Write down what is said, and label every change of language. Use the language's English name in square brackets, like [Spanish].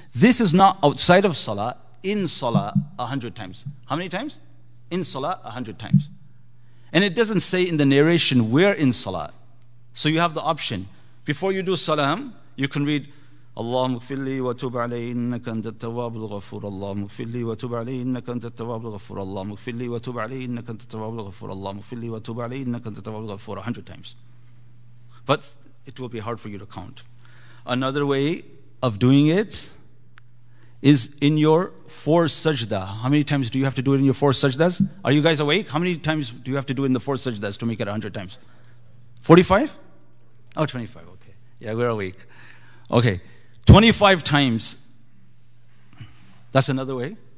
[English] This is not outside of salah, in salah 100 times. How many times? In salah 100 times. And it doesn't say in the narration where in salah. So you have the option. Before you do salam, you can read [Arabic] اللهم اغفر لي وتوب علي انك انت التواب الغفور اللهم اغفر لي وتوب علي انك انت التواب الغفور اللهم اغفر لي وتوب علي انك انت التواب الغفور اللهم اغفر لي وتوب علي انك انت التواب الغفور [English] 100 times but it will be hard for you to count. Another way of doing it is in your four sajda. How many times do you have to do it in your four sajdas? Are you guys awake? How many times do you have to do it in the four sajdas to make it 100 times? 45? Oh, 25, okay. Yeah, we're awake. Okay, 25 times. That's another way.